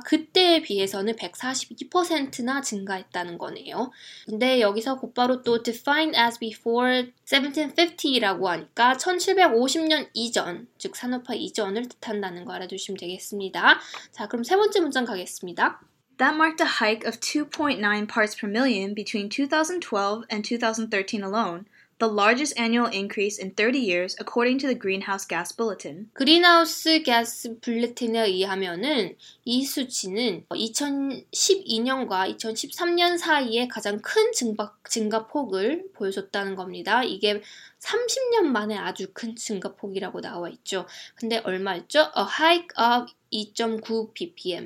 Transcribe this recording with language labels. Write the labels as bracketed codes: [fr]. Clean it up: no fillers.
[ko] 그때에 비해서는 142%나 증가했다는 거네요. 근데 여기서 곧바로 또 [en] defined as before 1750 [ko] 이라고 하니까 1750년 이전, 즉 산업화 이전을 뜻한다는 거 알아두시면 되겠습니다. 자, 그럼 세 번째 문장 가겠습니다. [en] That marked a hike of 2.9 parts per million between 2012 and 2013 alone, the largest annual increase in 30 years according to the Greenhouse Gas Bulletin. [ko] 그린하우스 가스 뷸레틴에 의하면은 이 수치는 2012년과 2013년 사이에 가장 큰 증가폭을 보여줬다는 겁니다. 이게 30년 만에 아주 큰 증가폭이라고 나와 있죠. 근데 얼마였죠? [en] A hike of 2.9 ppm.